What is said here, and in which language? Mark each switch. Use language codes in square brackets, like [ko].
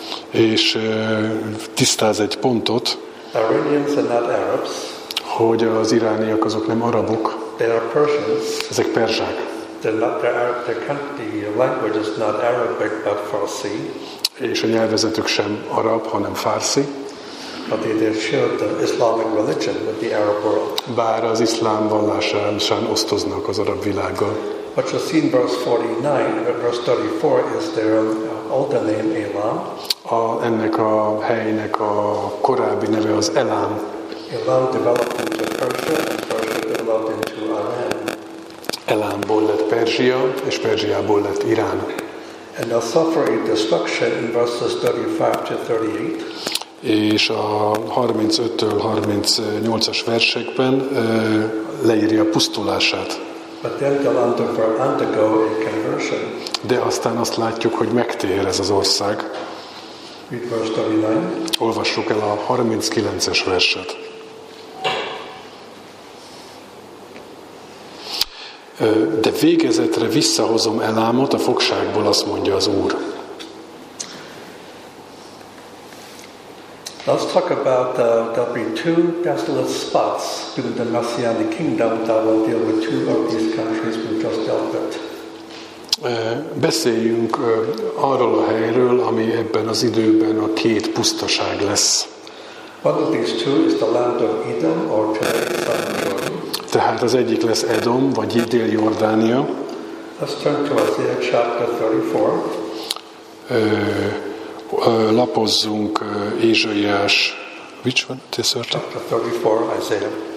[hu] És tisztáz egy pontot. [en] Iranians are not Arabs. [hu] Hogy az irániak azok nem arabok. [en] They are Persians. [hu] Ezek perzsák. [en] The language is not Arabic, but Farsi. [hu] És a nyelvezetük sem arab, hanem farsi. [en] But they share the Islamic religion with the Arab world. [hu] Bár az iszlám vallásán osztoznak az arab világgal. [en] What you see in verse 49, verse 34 is their older name Elam. [hu] Ennek a helynek a korábbi neve az Elam. [en] Elam developed into Persia, and Persia developed into Iran. [hu] Elámból lett Perzsia, és Perzsiából lett Irán. [en] And they'll suffer a destruction in verses 35-38. [hu] És a 35-től 38-as versekben leírja a pusztulását. [en] But then they'll undergo a conversion. [hu] De aztán azt látjuk, hogy megtér ez az ország. [en] Read verse 39. [hu] Olvassuk el a 39-es verset. De végezetre visszahozom Elámot a fogságból, azt mondja az Úr. [en] Let's talk about there'll be two desolate spots during the Messianic kingdom that will deal with two of these countries we just dealt with. [hu] Beszéljünk arról a helyről, ami ebben az időben a két pusztaság lesz. [en] One of these two is the land of Edom or Jordan. [hu] Tehát az egyik lesz Edom, vagy Dél-Jordánia. [en] Let's turn to Isaiah chapter 34. [hu] Lapozzunk Ézsaiás. [en] Which one? Chapter 34, Isaiah.